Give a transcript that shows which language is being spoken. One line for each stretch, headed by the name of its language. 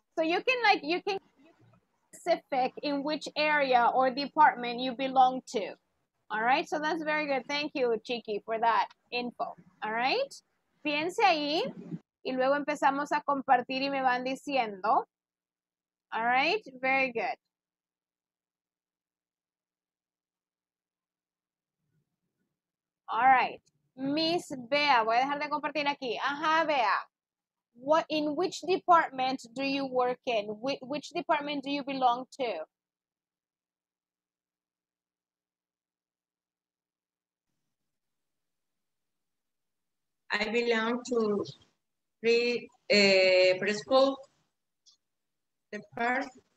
English: So you can be specific in which area or department you belong to. All right. So that's very good. Thank you, Chiki, for that info. All right.
Spanish: Piense ahí y luego empezamos a compartir y me van diciendo.
English: All right. Very good.
Spanish: All right. Miss Bea, voy a dejar de compartir aquí. Bea.
English: What in which department do you work in? Which department do you belong to? I belong to preschool department.